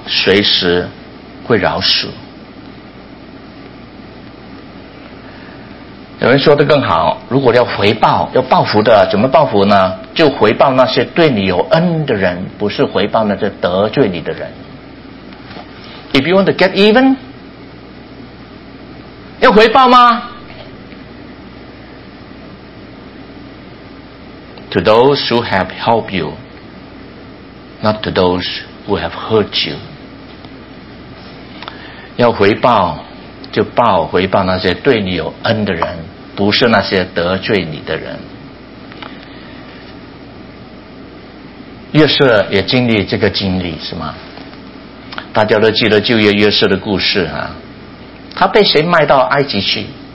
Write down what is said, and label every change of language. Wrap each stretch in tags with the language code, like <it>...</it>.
<zh>随时会饶恕。有人说的更好，如果要回报，要报复的，怎么报复呢？就回报那些对你有恩的人，不是回报那些得罪你的人。</zh> <en>If you want to get even，</en> <zh>要回报吗？</zh> <en>To those who have helped you, not to those who have hurt you。</en> <zh>要回报就报回报那些对你有恩的人，不是那些得罪你的人。约瑟也经历这个经历是吗？大家都记得旧约约瑟的故事啊，他被谁卖到埃及去？</zh>